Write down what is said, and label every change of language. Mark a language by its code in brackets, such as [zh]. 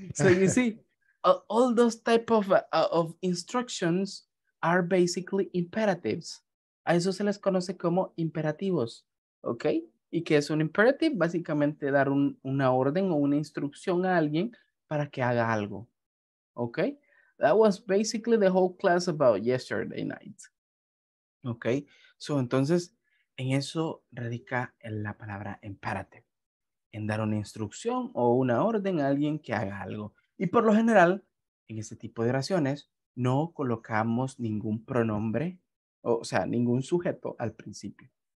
[en] So you see, all those type of instructions are basically imperatives. [es] A eso se les conoce como imperativos. Okay. ¿Y qué es un imperative? Básicamente dar una orden o una instrucción a alguien para que haga algo. Okay. [en] That was basically the whole class about yesterday night. Okay. [es] So entonces, en eso radica en la palabra imperative, en dar una instrucción o una orden a alguien que haga algo. Y por lo general, en este tipo de oraciones, no colocamos ningún pronombre, o sea, ningún sujeto al principio.